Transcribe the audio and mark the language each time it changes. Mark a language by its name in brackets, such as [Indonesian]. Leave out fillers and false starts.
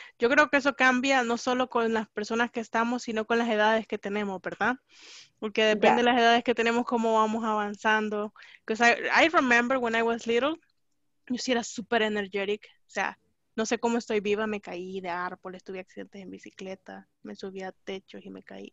[Spanish] Yo creo que eso cambia no solo con las personas que estamos, sino con las edades que tenemos, ¿verdad? Porque depende de las edades que tenemos, cómo vamos avanzando. [English] Because I remember when I was little, [Spanish] yo sí era [English] super energetic. [Spanish] O sea, no sé cómo estoy viva, me caí de árboles, tuve accidentes en bicicleta, me subí a techos y me caí.